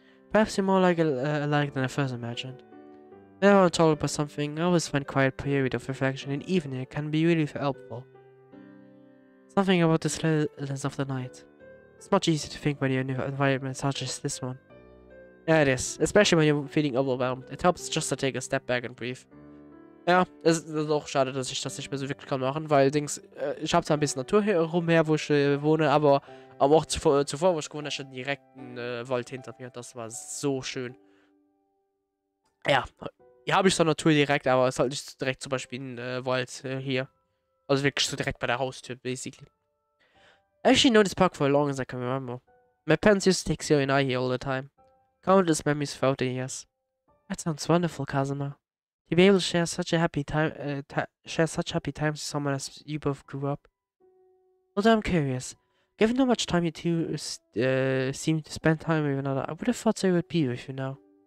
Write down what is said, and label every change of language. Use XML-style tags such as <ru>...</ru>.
<en>Perhaps you're more like alike than I first imagined. Whenever I'm troubled by something, I always find quiet period of reflection in evening can be really helpful. Something about the silence of the night. It's much easier to think when you're in an environment such as this one. Yeah, it is. Especially when you're feeling overwhelmed. It helps just to take a step back and breathe.</en> <de>Ja, es ist auch schade, dass ich das nicht mehr so wirklich kann machen, weil Dings, ich habe zwar ein bisschen Natur hier rumher, wo ich wohne, aber am Ort zuvor, wo ich gewohnt habe, stand direkt ein Wald hinter mir. Das war so schön. Ja, hier habe ich zwar Natur direkt, aber es ist halt nicht direkt zum Beispiel ein Wald hier. Also wirklich so direkt bei der Haustür, basically.</de> <en>I actually know this park for as long as I can remember. My parents used to take Sayori and I here all the time. Countless memories throughout the years. That sounds wonderful, Kazuma. To be able to share such a happy time, share such happy times with someone as you both grew up. Although I'm curious, given how much time you two seem to spend time with another, I would have thought so it would be with you now.</en>